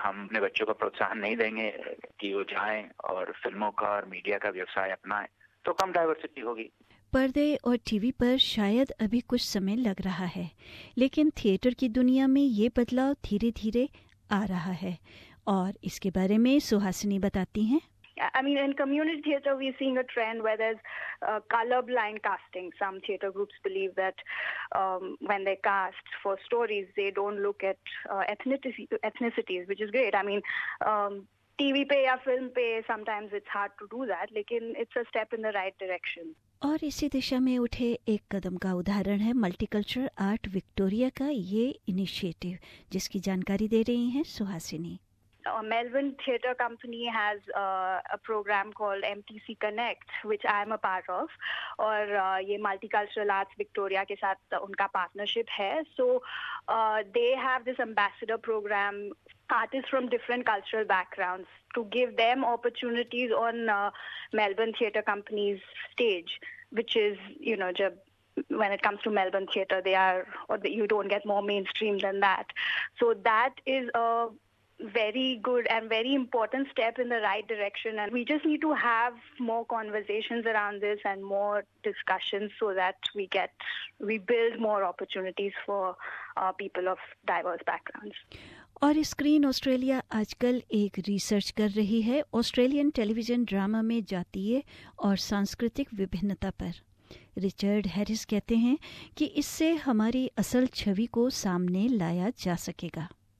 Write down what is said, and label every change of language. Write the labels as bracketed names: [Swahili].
[Hindi] हम अपने बच्चों को प्रोत्साहन नहीं देंगे कि वो जाएं और फिल्मों का और मीडिया का व्यवसाय अपनाएं, तो कम डाइवर्सिटी होगी। पर्दे और टीवी पर शायद अभी कुछ समय लग रहा है, लेकिन थिएटर की दुनिया में ये बदलाव धीरे धीरे आ रहा है, और इसके बारे में सुहासिनी बताती हैं। [English] I mean, in community theatre, we're seeing a trend where there's colorblind casting. Some theatre groups believe that when they cast for stories, they don't look at ethnicities, which is great. I mean, [Hindi] TV pe ya film pe, [English] sometimes it's hard to do that, [Hindi] lekin [English] it's a step in the right direction. [Hindi] और इसी दिशा में उठे एक कदम का उदाहरण है multicultural art Victoria का ये इनिशिएटिव, जिसकी जानकारी दे रही हैं Suhasini. [English] Melbourne Theatre Company has a program called MTC Connect, which I am a part of, [Hindi] और ये Multicultural Arts Victoria के साथ उनका partnership है. [English] So they have this ambassador program, artists from different cultural backgrounds, to give them opportunities on Melbourne Theatre Company's stage, which is, you know, [Hindi] जब [English] when it comes to Melbourne Theatre, they are, or you don't get more mainstream than that. So that is a very good and very important step in the right direction, and we just need to have more conversations around this and more discussions so that we build more opportunities for people of diverse backgrounds. [Hindi] और screen Australia आजकल एक research कर रही है Australian television drama में जातीय और सांस्कृतिक विभिन्नता पर। रिचर्ड हैरिस कहते हैं कि इससे हमारी असल छवि को सामने लाया जा सकेगा।